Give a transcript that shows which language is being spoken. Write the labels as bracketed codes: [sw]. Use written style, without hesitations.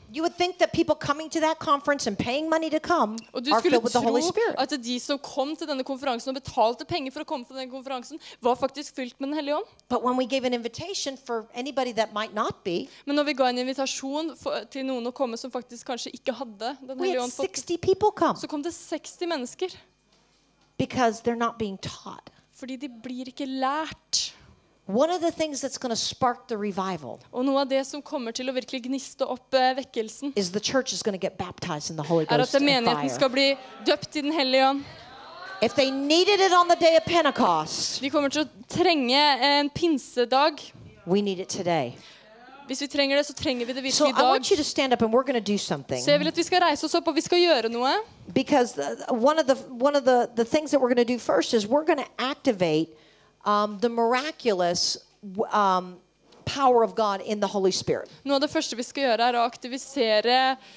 [en] You would think that people coming to that conference and paying money to come are filled with the Holy Spirit. [no] At de som kom til denne konferansen og betalte penger for å komme til denne konferansen var faktisk fylt med den hellige ånd. [en] But when we gave an invitation for anybody that might not be. [no] Men når vi ga en invitasjon til noen å komme som faktisk kanskje ikke hadde den hellige ånd. [en] We had 60 people come. [no] Så kom det 60 mennesker. [en] Because they're not being taught. [no] Fordi de blir ikke lært. [en] One of the things that's going to spark the revival. [no] Og noe av det som kommer til å virkelig gniste opp vekkelsen. [en] Is the church is going to get baptized in the Holy Ghost. [no] At menigheten skal bli døpt i den hellige ånd. [en] If they needed it on the day of Pentecost. [no] Vi kommer til å trenge en pinsedag. [en] We need it today. [no] Hvis vi trenger det, så trenger vi det virkelig i dag. [en] So I want you to stand up and we're going to do something. [no] Så jeg vil at vi skal reise oss opp og vi skal gjøre noe. [en] Because one of the things that we're going to do first is we're going to activate the miraculous power of God in the Holy Spirit. [no] Noe av det første vi skal gjøre å aktivisere